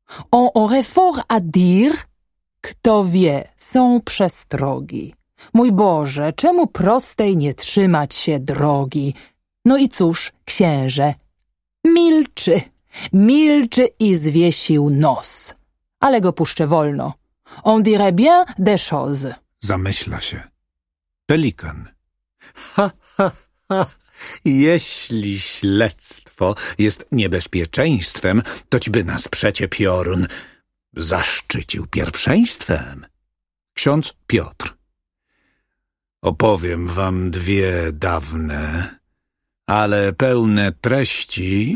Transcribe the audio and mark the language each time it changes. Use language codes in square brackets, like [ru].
[fr] On aurait fort à dire, [pl] kto wie, są przestrogi. Mój Boże, czemu prostej nie trzymać się drogi? No i cóż, księże, milczy, milczy i zwiesił nos. Ale go puszczę wolno. [fr] On dirait bien des choses. [pl] Zamyśla się. Pelikan. Ha, ha, ha. Jeśli śledztwo jest niebezpieczeństwem, toć by nas przecie piorun zaszczycił pierwszeństwem. Ksiądz Piotr. Opowiem wam dwie dawne, ale pełne treści...